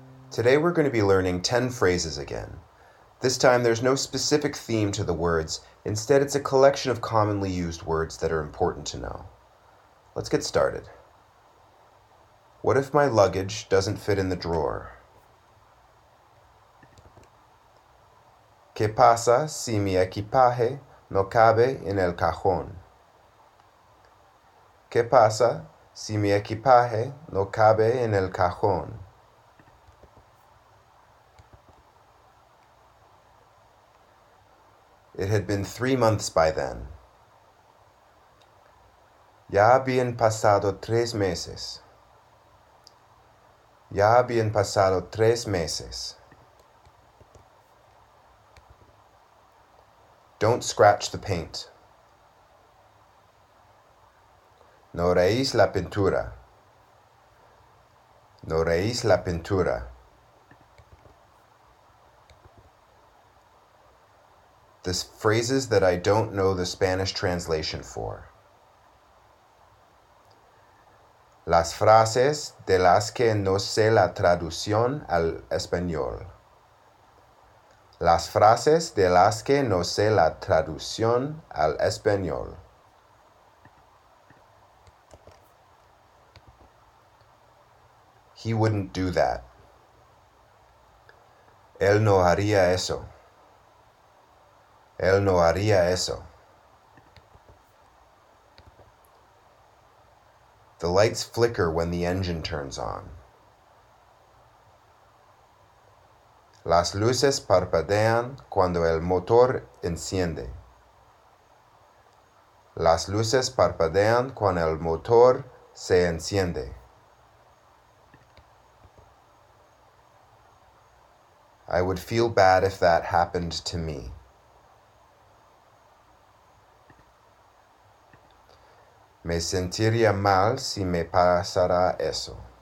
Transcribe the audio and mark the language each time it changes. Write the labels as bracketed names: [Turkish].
[English] Today we're going to be learning 10 phrases again. This time there's no specific theme to the words. Instead, it's a collection of commonly used words that are important to know. Let's get started. What if my luggage doesn't fit in the drawer? [Spanish] ¿Qué pasa si mi equipaje no cabe en el cajón? ¿Qué pasa si mi equipaje no cabe en el cajón? [English] It had been 3 months by then. [Spanish] Ya habían pasado 3 meses. Ya habían pasado 3 meses. [English] Don't scratch the paint. [Spanish] No rayes la pintura. No rayes la pintura. [English] The phrases that I don't know the Spanish translation for. [Spanish] Las frases de las que no sé la traducción al español. Las frases de las que no sé la traducción al español. [English] He wouldn't do that. [Spanish] Él no haría eso. Él no haría eso. [English] The lights flicker when the engine turns on. [Spanish] Las luces parpadean cuando el motor enciende. Las luces parpadean cuando el motor se enciende. [English] I would feel bad if that happened to me. [Spanish] Me sentiría mal si me pasara eso.